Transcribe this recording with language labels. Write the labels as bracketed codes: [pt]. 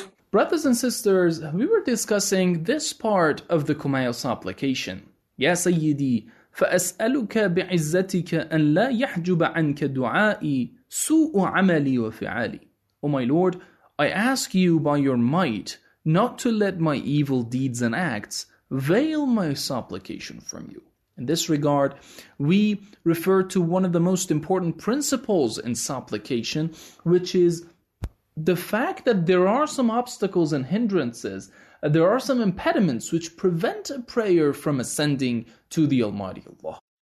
[en] Brothers and sisters, we were discussing this part of the Kumail supplication. [ar] يا سيدي فأسألك بعزتك أن لا يحجب عنك دعائي سوء عملي وفعالي. [en] O my Lord, I ask you by your might not to let my evil deeds and acts veil my supplication from you. In this regard, we refer to one of the most important principles in supplication, which is the fact that there are some obstacles and hindrances, there are some impediments which prevent a prayer from ascending to the Almighty Allah.